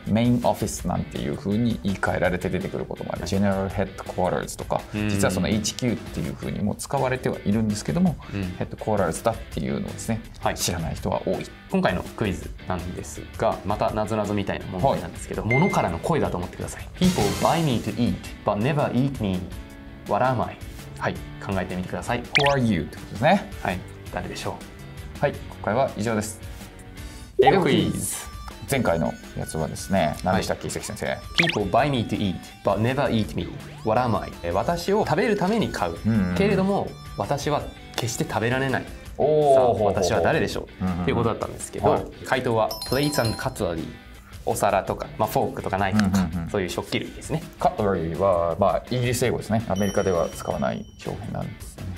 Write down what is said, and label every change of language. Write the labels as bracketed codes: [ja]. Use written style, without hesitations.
[ja] Main Office なんていう風に言い換えられて出てくることもある、はい、General Headquarters とか、実はその HQ っていう風にも使われてはいるんですけども、Headquarters だっていうのをですね、はい、知らない人は多い。今回のクイズなんですが、また謎々みたいな問題なんですけど、はい、物からの声だと思ってください。 [en] People buy me to eat but never eat me. What am I? [ja] はい、考えてみてください。 [en] Who are you? [ja] ってことですね。はい、誰でしょう。はい、今回は以上です。英語クイズ、前回のやつはですね何でしたっけ、はい、関先生。 [en] People buy me to eat but never eat me. What am I? [ja] 私を食べるために買う、うんうん、けれども私は決して食べられない。おさあ、ほうほうほう、私は誰でしょう、うんうん、っていうことだったんですけど、はい、回答は Plates and Cutlery、 お皿とか、まあ、フォークとかナイフとか、うんうんうん、そういう食器類ですね。 Cutlery は、まあ、イギリス英語ですね。アメリカでは使わない表現なんですね。